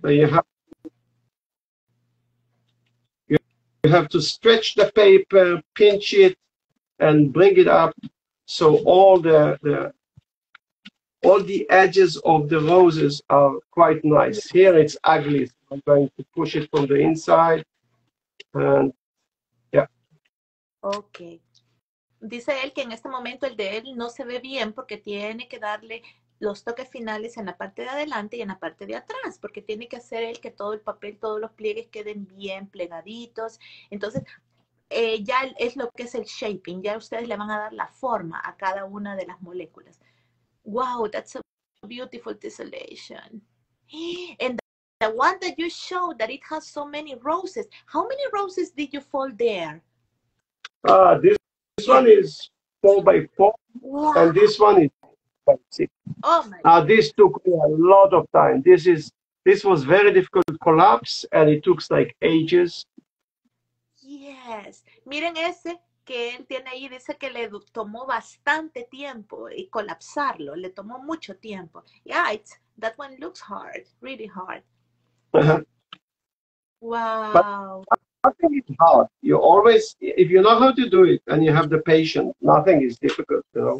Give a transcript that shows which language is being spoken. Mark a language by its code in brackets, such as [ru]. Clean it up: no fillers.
[en] So you have to stretch the paper, pinch it, and bring it up so all the edges of the roses are quite nice. Here it's ugly. So I'm going to push it from the inside. And yeah. Okay. [es] Dice él que en este momento el de él no se ve bien porque tiene que darle los toques finales en la parte de adelante y en la parte de atrás, porque tiene que hacer él que todo el papel, todos los pliegues queden bien plegaditos. Entonces, ya es lo que es el shaping, ya ustedes le van a dar la forma a cada una de las moléculas. [en] Wow, that's a beautiful tessellation. And the one that you showed that it has so many roses, how many roses did you fold there? This one is 4x4, wow. And this one is 4x6. Oh, this took me a lot of time. This was very difficult to collapse, and it took like ages. [es] Yes. Miren ese que él tiene ahí. Dice que le tomó bastante tiempo y colapsarlo. Le tomó mucho tiempo. [en] Yeah, it's, that one looks hard, really hard. Wow. Nothing is hard. You always, if you know how to do it and you have the patience, nothing is difficult, you know?